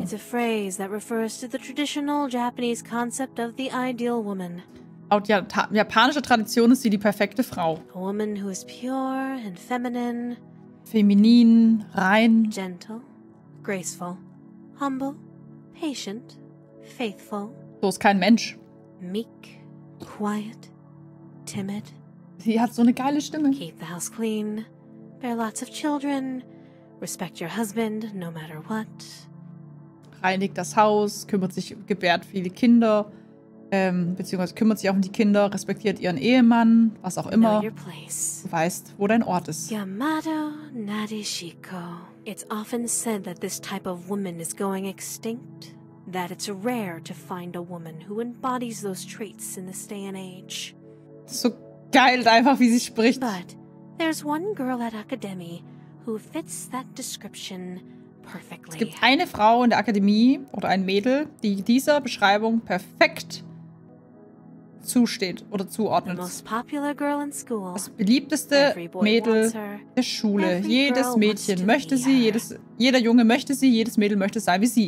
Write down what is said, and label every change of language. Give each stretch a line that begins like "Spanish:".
English: It's a phrase that refers to the traditional Japanese concept of the ideal woman.
German: Laut japanischer Tradition ist sie die perfekte Frau.
English: A woman who is pure and feminine.
German: Feminin, rein.
English: Gentle, graceful. Humble, patient, faithful.
German: So ist kein Mensch.
English: Meek, quiet, timid.
German: Sie hat so eine geile Stimme.
English: Keep the house clean, bear lots of children, respect your husband, no matter what.
German: Reinigt das Haus, kümmert sich, gebärt viele Kinder, beziehungsweise kümmert sich auch um die Kinder, respektiert ihren Ehemann, was auch immer.
English: Know your place.
German: Du weißt, wo dein Ort ist.
Japanese: Yamato Nadeshiko.
English: It's often said that this type of woman is going extinct. That it's rare to find a woman who embodies those traits in this day and age.
German: So geil einfach, wie sie spricht.
English: But there's one girl at Academy who fits that description perfectly.
German: Es gibt eine Frau in der Akademie oder ein Mädel, die dieser Beschreibung perfekt zusteht oder zuordnet.
English: The most popular girl in school.
German: Das beliebteste Mädel der Schule.
English: Every
German: jedes Mädchen möchte sie, jeder Junge möchte sie, jedes Mädel möchte sein wie sie.